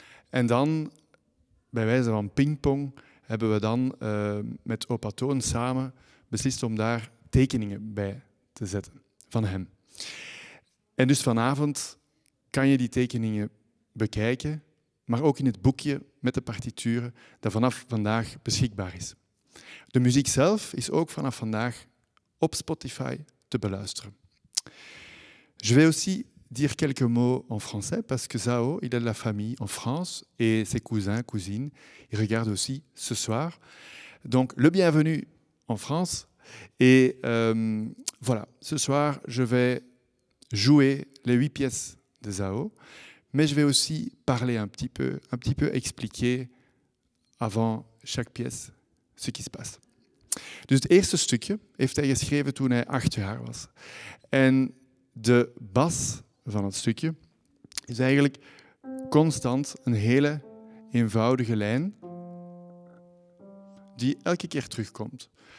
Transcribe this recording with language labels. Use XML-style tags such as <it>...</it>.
<nl>En dan, bij wijze van pingpong, hebben we dan met opa Toon samen beslist om daar tekeningen bij te zetten van hem. En dus vanavond kan je die tekeningen bekijken, maar ook in het boekje met de partituren dat vanaf vandaag beschikbaar is. De muziek zelf is ook vanaf vandaag op Spotify te beluisteren.</nl> <fr>Je vais aussi dire quelques mots en français parce que Zao, il a de la famille en France et ses cousins, cousines, ils regardent aussi ce soir. Donc, le bienvenu en France. Et voilà, ce soir, je vais jouer les 8 pièces de Zao, mais je vais aussi parler un petit peu expliquer avant chaque pièce ce qui se passe.</fr> <nl>Dus het eerste stukje heeft hij geschreven toen hij 8 jaar was. En de bas van het stukje is eigenlijk constant een hele eenvoudige lijn die elke keer terugkomt.</nl>